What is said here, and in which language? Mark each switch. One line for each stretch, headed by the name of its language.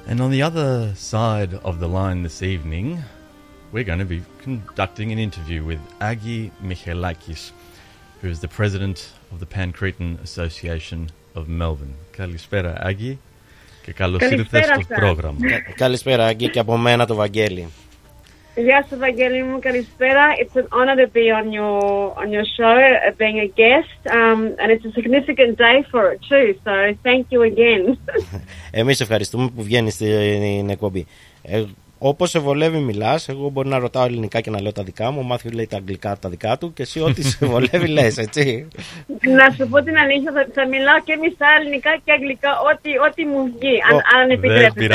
English: And on the other side of the line this evening, we're going to be conducting an interview with Agi Michalakis, who is the president of the Pan-Cretan Association of Melbourne.
Greek: Καλησπέρα, Agi. Και καλώς ήρθες στο πρόγραμμα. Καλησπέρα, Agi, και από μένα το Βαγγέλη. Γεια σου, Βαγγέλη μου. Καλησπέρα.
English: It's an honor to be on your show, being a guest. And it's a significant day for it, too. So, thank you again.
Greek: Εμείς ευχαριστούμε που βγαίνεις στην εκπομπή. Όπως σε βολεύει μιλάς, εγώ μπορώ να ρωτάω ελληνικά και να λέω τα δικά μου. Ο Μάθιου λέει τα αγγλικά τα δικά του και εσύ ό,τι σε βολεύει λες, έτσι. Να σου πω την αλήθεια, θα μιλάω και μισά ελληνικά και αγγλικά, ό,τι μου βγει, αν επιτρέπετε.